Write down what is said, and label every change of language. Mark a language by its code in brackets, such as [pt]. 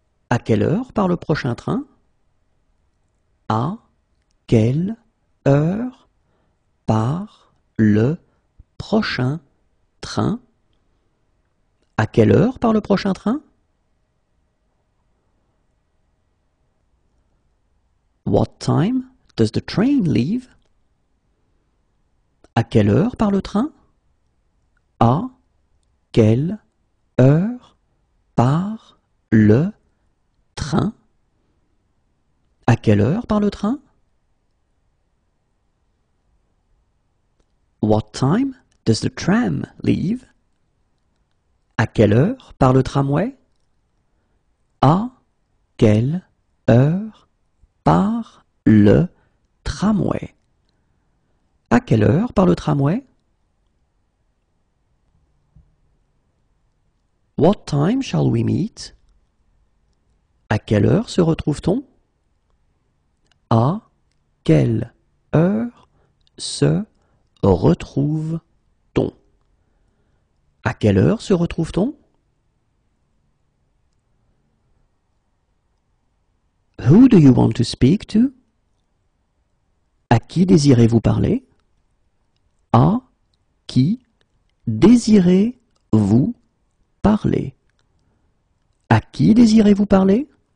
[fr] À quelle heure part le prochain train? À quelle heure part le prochain train? À quelle heure part le prochain train? [en] What time does the train leave? [fr] À quelle heure part le train? À quelle heure part le train? À quelle heure part le train? [en] What time does the tram leave? [fr] À quelle heure part le tramway? À quelle heure par le tramway? À quelle heure par le tramway? [en] What time shall we meet? [fr] À quelle heure se retrouve-t-on? À quelle heure se retrouve-t-on? À quelle heure se retrouve-t-on? [en] Who do you want to speak to? [fr] À qui désirez-vous parler? À qui désirez-vous parler? À qui désirez-vous parler?